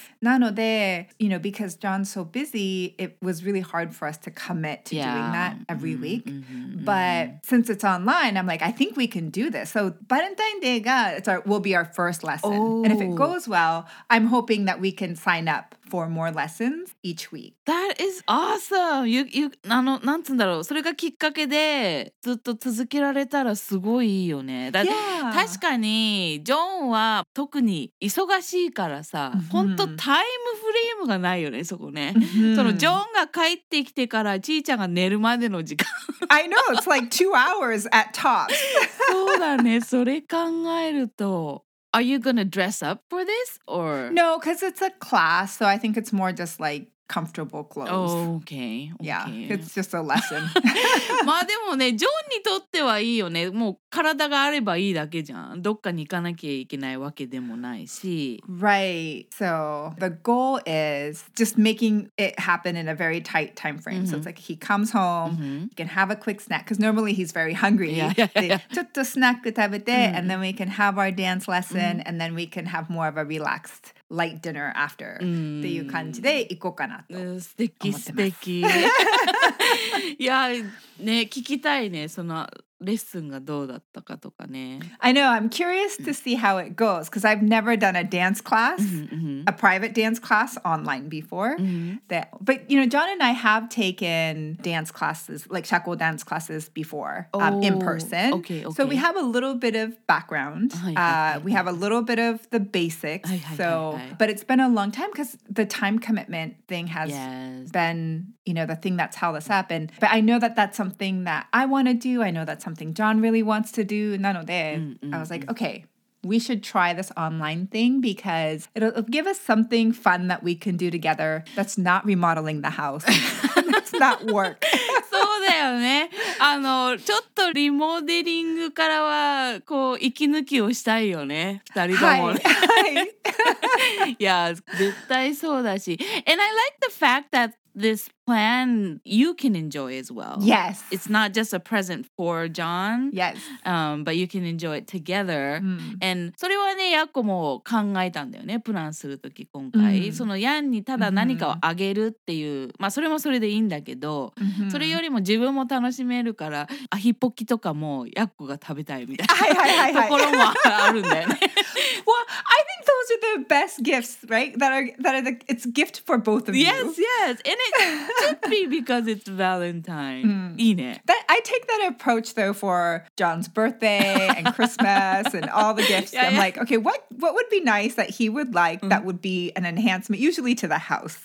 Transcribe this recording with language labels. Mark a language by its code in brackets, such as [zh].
[en] なので、you know, because John's so busy, it was really hard for us to commit to doing that every week. But since it's online, I'm like, I think we can do this. So, Valentine's Day will be our first lesson. And if it goes well, I'm hoping that we can sign up for more lessons each week. That is awesome! [ja] なんつんだろう、それがきっかけでずっと続けられたらすごいよね。確かに、ジョンは特に忙しいからさ、本当タイムフレームがないよね、そこね。そのジョンが帰ってきてからちーちゃんが寝るまでの時間。 [en] I know, it's like 2 hours at top. [ja] そうだね、それ考えると。 [en] Are you going to dress up for this or? No, because it's a class, so I think it's more just like comfortable clothes. Oh, okay. Yeah, it's just a lesson. [ja] まあでもね、ジョンにとってはいいよね。もう体があればいいだけじゃん。どっかに行かなきゃいけないわけでもないし。 [en] Right. So the goal is just making it happen in a very tight time frame. Mm-hmm. So it's like he comes home, mm-hmm. he can have a quick snack, because normally he's very hungry. [ja] ちょっとスナック食べて、 [en] and then we can have our dance lesson, mm-hmm. and then we can have more of a relaxed light dinner after [ja] っていう感じで行こうかなと素敵素敵いやね聞きたいねそのレッスンがどうだったかとかね [en] I know I'm curious to see how it goes because I've never done a dance class a private dance class online before that, but you know John and I have taken dance classes like shackle dance classes before in person okay. so we have a little bit of background we have a little bit of the basics but it's been a long time because the time commitment thing has been you know the thing that's held us up and but I know that that's something that I want to do I know that something John really wants to do. なので、I was like, okay, we should try this online thing because it'll give us something fun that we can do together that's not remodeling the house. that's not work. [ja] そうだよね。あの、ちょっとリモデリングからはこう息抜きをしたいよね。二人とも。はい。 yeah, 絶対そうだし。 [en] And I like the fact that this plan you can enjoy as well. Yes. It's not just a present for John. Yes. But you can enjoy it together. [ja] And それはね、ヤコも考えたんだよね、プランするとき今回。そのヤンにただ何かをあげるっていう、まあそれもそれでいいんだけど、それよりも自分も楽しめるから、アヒポキとかもヤコが食べたいみたいなところもあるんだよね。 [en] Well, I think those are the best gifts, right? It's a gift for both of you. Yes, yes. And it should be because it's Valentine. [ja] いいね。 [en] I take that approach, though, for John's birthday and Christmas and all the gifts. Yeah, I'm like, okay, what would be nice that he would like that would be an enhancement, usually to the house,